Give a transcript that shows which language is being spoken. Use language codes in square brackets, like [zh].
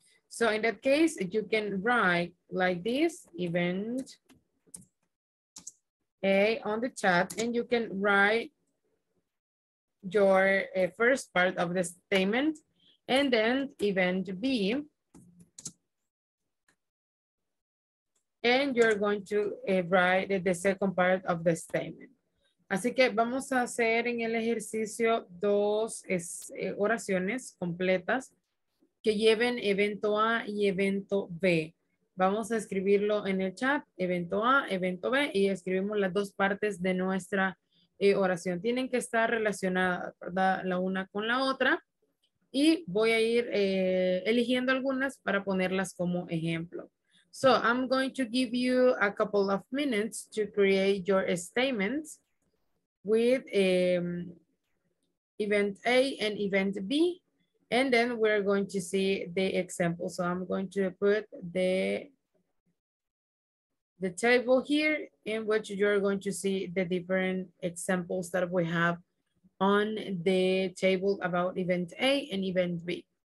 [en] So in that case, you can write like this, event A on the chat, and you can write your first part of the statement and then event B. And you're going to write the second part of the statement. [es] Así que vamos a hacer en el ejercicio dos oraciones completas que lleven evento A y evento B. Vamos a escribirlo en el chat, evento A, evento B, y escribimos las dos partes de nuestra oración. Tienen que estar relacionadas, ¿verdad? La una con la otra. Y voy a ir eligiendo algunas para ponerlas como ejemplo. [en] So I'm going to give you a couple of minutes to create your statements with event A and event B, and then we're going to see the example. So I'm going to put the table here in which you're going to see the different examples that we have on the table about event A and event B.